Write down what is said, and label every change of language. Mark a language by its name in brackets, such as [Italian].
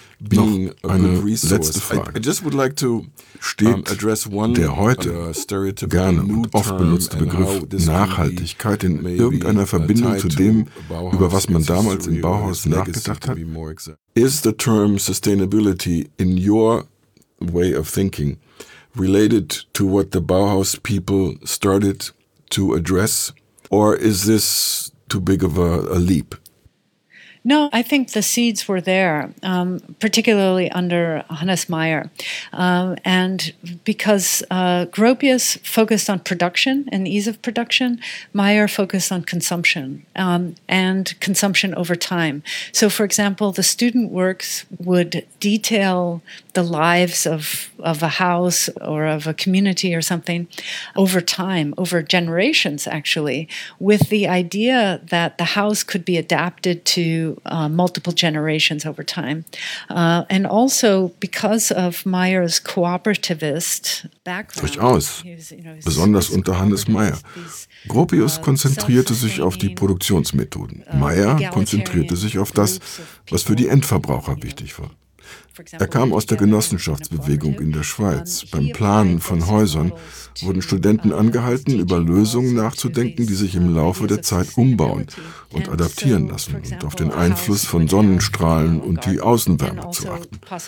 [German] Noch eine letzte Frage. [English] I just would like to address one [German] der heute gerne und oft benutzte Begriff Nachhaltigkeit in irgendeiner Verbindung zu dem, über was man damals im Bauhaus nachgedacht hat. [English] Is the term sustainability in your way of thinking related to what the Bauhaus people started to address, or is this too big of a leap? No, I think the seeds were there, particularly under Hannes Meyer. And because Gropius focused on production and ease of production, Meyer focused on consumption and consumption over time. So, for example, the student works would detail the lives of a house or of a community or something over time, over generations, actually, with the idea that the house could be adapted to multiple generations over time. And also because of Meyer's cooperativist background. [German] Durchaus. Besonders unter Hannes Meyer. Gropius konzentrierte sich auf die Produktionsmethoden. Meyer konzentrierte sich auf das, was für die Endverbraucher wichtig war. Er kam aus der Genossenschaftsbewegung in der Schweiz. Beim Planen von Häusern wurden Studenten angehalten, über Lösungen nachzudenken, die sich im Laufe der Zeit umbauen und adaptieren lassen und auf den Einfluss von Sonnenstrahlen und die Außenwärme zu achten.